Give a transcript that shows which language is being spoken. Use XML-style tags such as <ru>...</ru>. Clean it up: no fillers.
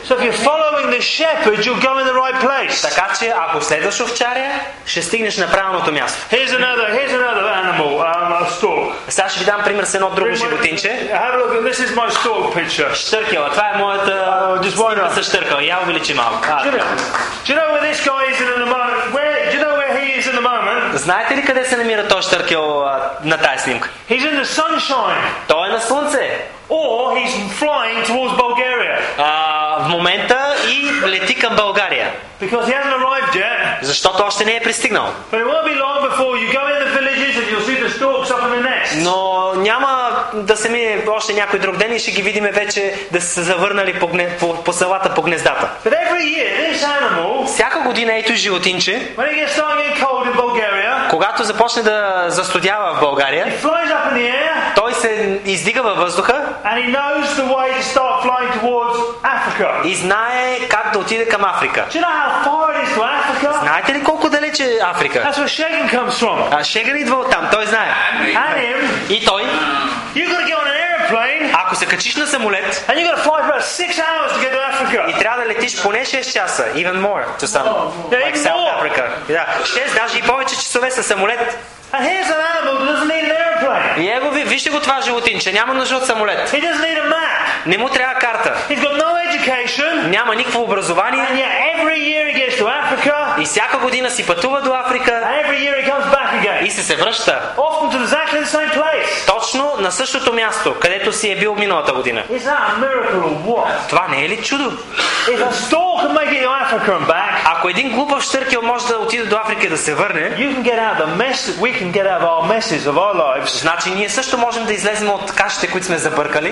<en>So if you're following the shepherd, you'll go in the right place.</en> <bg>Така че ако следваш овчаря, ще стигнеш на правилното място.</bg> <en>Here's another animal, a stork.</en> <bg>Сега ще ви дам пример с едно друго животинче.</bg> <en>Have a look, and this is my stork picture.</en> <bg>Штъркела, това е моята снимка с штъркела. Я увеличи малко.</bg> <en>Do you know where this guy is in the moment?</en> <bg>Знаете ли къде се намира този штъркел на тая снимка?</bg> <en>He's in the sunshine.</en> <bg>Той е на слънце.</bg> <en>Or he's flying towards Bulgaria.</en> <bg>В момента и лети към България.</bg> <en>Because he hasn't arrived yet.</en> <bg>Защото още не е пристигнал.</bg> <en>But it won't be long before you go in the villages and you'll see the storks up in the nest.</en> <bg>Но няма да се мине още някой друг ден и ще ги видим вече да са завърнали по селата, по гнездата.</bg> <en>But every year, this animal,</en> <bg>всяка година ето животинче,</bg> <en>when it gets starting to get cold in Bulgaria,</en> <bg>когато започне да застудява в България,</bg> <en>he flies up in the air,</en> <bg>той се издига във въздуха</bg> <en>and he knows the way to start flying towards Africa.</en> <bg>И знае как да отиде към Африка.</bg> <en>Do you know how far it is to Africa?</en> <bg>Знаете ли колко далече е Африка?</bg> <en>That's where Shagan comes from.</en> <bg>А Шеган идва оттам, той знае.</bg> <en>And him,</en> <bg>и той,</bg> <en>you've got to get on an airplane.</en> <bg>Ако се качиш на самолет,</bg> <en>and you've got to fly for about 6 hours to get to Africa.</en> <bg>И трябва да летиш поне 6 часа,</bg> <en>even more to some. Yeah, like even South more. Africa. Yeah.</en> <bg>6, даже и повече часове с самолет.</bg> <en>And here's an animal that doesn't need an airplane.</en> <bg>И его вижте го това животинче, няма нужда от самолет.</bg> <en>He doesn't need a map.</en> <bg>Не му трябва карта.</bg> <en>He's got no education.</en> <bg>Няма никакво образование.</bg> <en>And yet every year he gets to Africa.</en> <bg>И всяка година си пътува до Африка.</bg> <en>And every year he comes back again.</en> <bg>И се връща.</bg> <en>Often to exactly the same place.</en> <bg>Точно на същото място, където си е бил миналата година.</bg> <en>Is that a miracle or what?</en> <bg>Това не е ли чудо?</bg> <en>If a stork can make it to Africa and back.</en> <bg>Ако един глупав штъркел може да отиде до Африка и да се върне,</bg> <en>you can get out of the mess that we can get out of our messes of our lives.</en> <bg>Значи ние също можем да излезем от кашите, които сме забъркали.</bg>